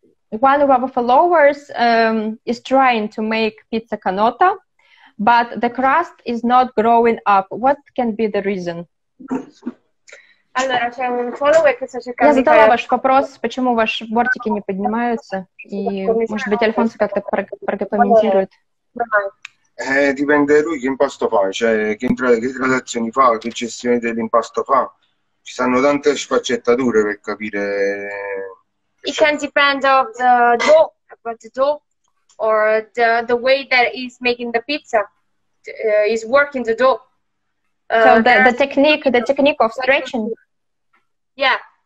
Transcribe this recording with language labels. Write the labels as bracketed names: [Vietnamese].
[English] One of our followers is trying to make pizza canotta, but the crust is not growing up. What can be the reason? [Italian] Allora, c'è un follower che sta cercando. [Russian] Я задала ваш вопрос, почему ваши бортики не поднимаются, и, может быть, Альфонсо как-то прокомментирует. [Italian] Dipende da lui che impasto fa, cioè che gradazioni fa, che gestione dell'impasto fa. Ci sono tante sfaccettature per capire. [English] It can depend of the dough, but the dough or the way that he's making the pizza, is working the dough. So the technique of stretching. Yeah.